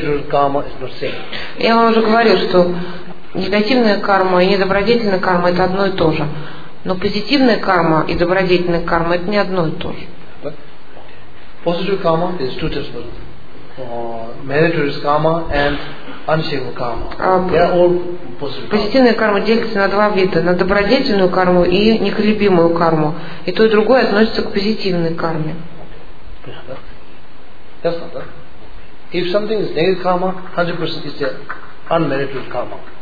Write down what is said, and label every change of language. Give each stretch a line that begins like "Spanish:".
Russian: Я вам уже говорил, что негативная карма и недобродетельная карма – это одно и то же. Но позитивная карма и добродетельная карма – это не одно и то же.
English: Positive karma is two types of karma. Meritorious karma and unshakable karma. They are all positive.
Russian: Позитивная карма делится на два вида: на добродетельную карму и неколебимую карму. И то и другое относится к позитивной карме.
English: That's not that. If something is negative karma, 100% is the unmerited karma.